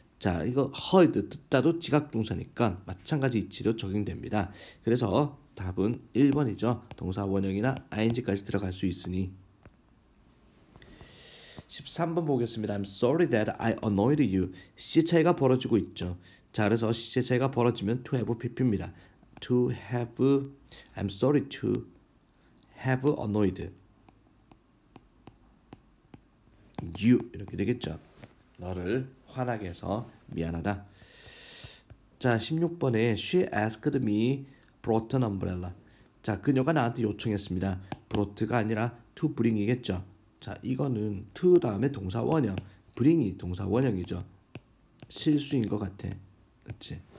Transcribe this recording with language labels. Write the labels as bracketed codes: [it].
[ko] 자, 이거 heard 듣다도 지각동사니까 마찬가지 이치로 적용됩니다. 그래서 답은 1번이죠. 동사 원형이나 ing까지 들어갈 수 있으니. 13번 보겠습니다. [en] I'm sorry that I annoyed you. [ko] 시제 차이가 벌어지고 있죠. 자, 그래서 시제 차이가 벌어지면 to have PP입니다. [en] To have, I'm sorry to have annoyed you [ko] 이렇게 되겠죠. 너를 화나게 해서 미안하다. 자, 16번에 [en] she asked me brought an umbrella. [ko] 자, 그녀가 나한테 요청했습니다. brought가 아니라 to bring이겠죠. 자, 이거는 to 다음에 동사 원형. bring이 동사 원형이죠. 실수인 것 같아. 그렇지?